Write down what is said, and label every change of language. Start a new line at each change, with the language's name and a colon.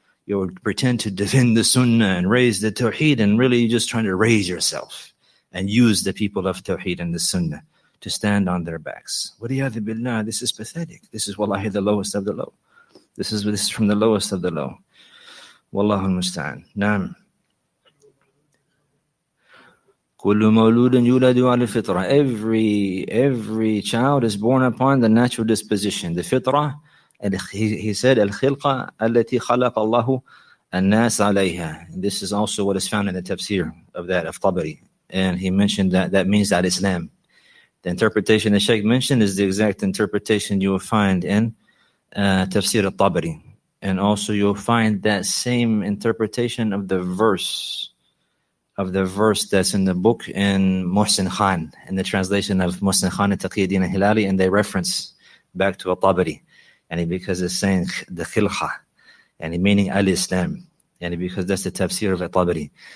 English: You will pretend to defend the sunnah and raise the tawheed and really you're just trying to raise yourself and use the people of tawheed and the sunnah to stand on their backs. Wadiyadhi billah, this is pathetic. This is wallahi the lowest of the low. This is from the lowest of the low.
Arabic: Wallahu musta'an. Naam. كل مولود يولد على الفطرة.
English: Every child is born upon the natural disposition.
Arabic: The فطرة,
English: he said,
Arabic: الخلقة التي خلق الله الناس عليها.
English: This is also what is found in the tafsir of that, of Tabari. And he mentioned that that means that Islam. The interpretation the Sheikh mentioned is the exact interpretation you will find in tafsir al-Tabari. And also you will find that same interpretation of the verse that's in the book in Muhsin Khan, in the translation of Muhsin Khan and Taqiyuddin al-Hilali, and they reference back to al-Tabari, and because it's saying the khilqa, and meaning al-Islam, and because that's the tafsir of al-Tabari.